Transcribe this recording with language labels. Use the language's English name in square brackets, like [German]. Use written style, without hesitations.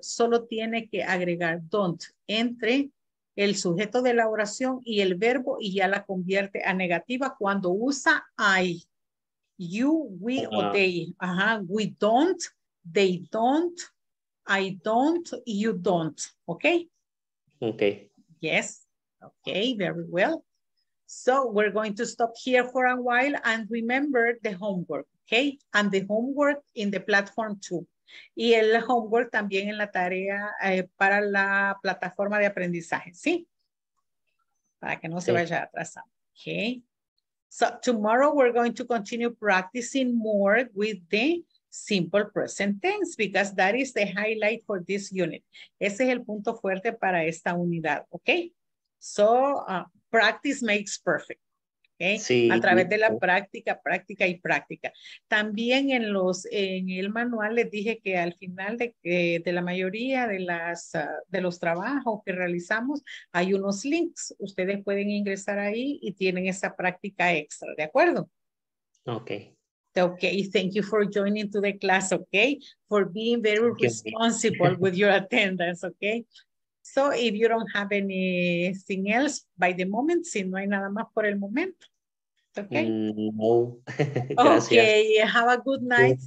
[Spanish] Solo tiene que agregar don't entre el sujeto de la oración y el verbo y ya la convierte a negativa cuando usa I. [English] You, we, or they. We don't they don't, I don't, you don't. Okay? Okay. Yes. Okay, very well. So we're going to stop here for a while and remember the homework, okay? And the homework in the platform too. [Spanish] Y el homework también en la tarea para la plataforma de aprendizaje, ¿sí? Para que no se vaya atrasando, okay? [English] So tomorrow we're going to continue practicing more with the simple present tense because that is the highlight for this unit. [Spanish] Ese es el punto fuerte para esta unidad, okay? [English] So practice makes perfect. Okay. [Spanish] Sí. A través de la práctica, práctica y práctica. También en los en el manual les dije que al final de la mayoría de las de los trabajos que realizamos hay unos links. Ustedes pueden ingresar ahí y tienen esa práctica extra, ¿de acuerdo? [English] Okay. Okay, thank you for joining to the class, okay? For being very responsible with your attendance, okay? So if you don't have anything else by the moment, [Spanish] si no hay nada más por el momento, [English] okay? No, okay, have a good night. Yeah.